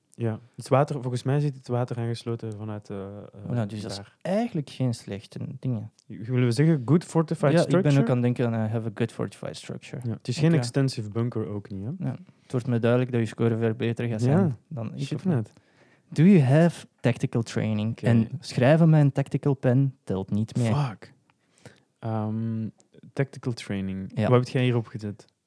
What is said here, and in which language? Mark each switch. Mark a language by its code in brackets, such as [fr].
[nl] Ja, het water, volgens mij zit het water aangesloten vanuit Dus daar. Dat is eigenlijk geen slechte dingen. Willen we zeggen, [en] good fortified structure? [nl] Ja, ik ben ook aan het denken, [en] I have a good fortified structure. [nl] Ja. Het is geen [en] extensive bunker [nl] ook niet. Hè? Ja. Het wordt me duidelijk dat je score veel beter gaat zijn dan ik. Shit, net. [en] Do you have tactical training? Okay. [nl] En schrijven met een tactical pen telt niet meer. [en] Fuck. Tactical training. Ja. [nl] Wat heb jij hierop gezet?